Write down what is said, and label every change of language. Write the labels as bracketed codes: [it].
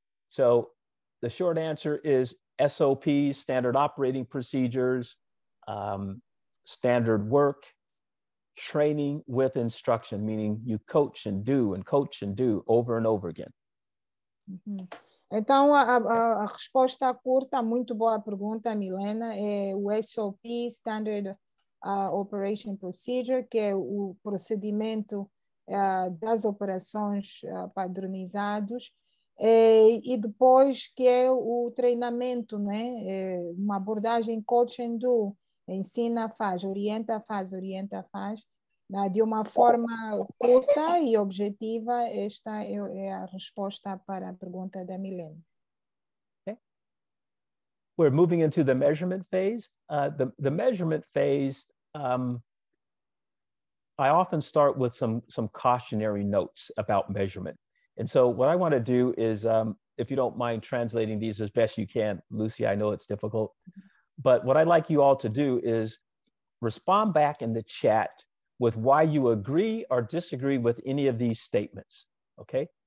[en] So the short answer is SOPs, standard operating procedures, standard work, training with instruction, meaning you coach and do and coach and do over and over again. [pt] Então, a resposta curta, muito boa pergunta, Milena, é o SOP, Standard Operation Procedure, que é o procedimento das operações padronizados, e depois que é o treinamento, né? Uma abordagem [en] coach and do, [pt] ensina, faz, orienta, faz, orienta, faz. De uma forma curta e objetiva, esta é a resposta para a pergunta da Milena. [en] Okay. We're moving into the measurement phase. The measurement phase, I often start with some cautionary notes about measurement. And so what I want to do is, if you don't mind translating these as best you can, Lucy, I know it's difficult, but what I'd like you all to do is respond back in the chat with why you agree or disagree with any of these statements, okay?